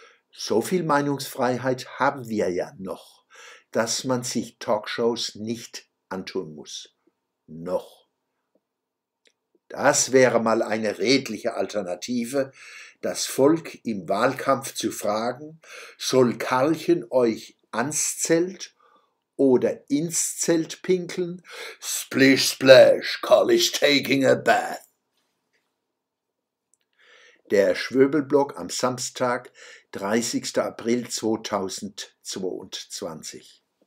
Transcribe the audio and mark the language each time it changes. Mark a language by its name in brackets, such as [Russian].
[German] So viel Meinungsfreiheit haben wir ja noch, dass man sich Talkshows nicht antun muss. Noch. Das wäre mal eine redliche Alternative, das Volk im Wahlkampf zu fragen, soll Karlchen euch ans Zelt oder ins Zelt pinkeln? [English] Splish, splash, Karl is taking a bath. [German] Der Schwöbelblock am Samstag, 30. April 2022.